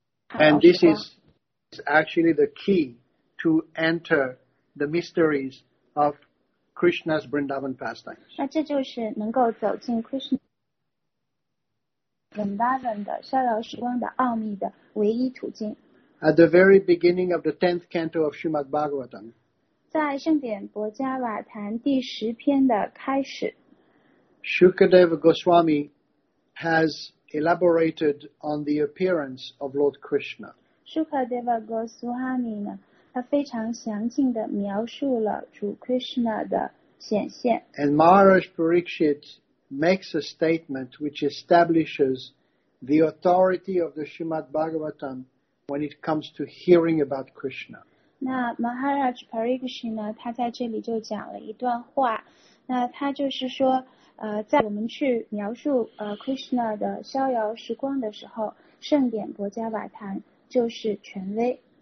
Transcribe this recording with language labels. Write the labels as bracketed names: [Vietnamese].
[English] And this is actually the key to enter the mysteries ofKrishna's Vrindavan pastimes. [Chinese] 那这就是能够走进 Krishna Vrindavan 的逍遥时光的奥秘的唯一途径。 [English] At the very beginning of the 10th canto of Srimad Bhagavatam. [Chinese] 在圣典薄伽瓦坛第十篇的开始。 [English] Shukadeva Goswami has elaborated on the appearance of Lord Krishna. [Chinese] Shukadeva Goswami 呢他非常详尽地描述了主 Krishna 的显现。 [English] And Maharaj Parikshit makes a statement which establishes the authority of the Srimad Bhagavatam when it comes to hearing about Krishna. [Chinese] 那 Maharaj Parikshit 呢他在这里就讲了一段话。那他就是说在我们去描述Krishna 的逍遥时光的时候，圣典薄伽瓦坛就是权威。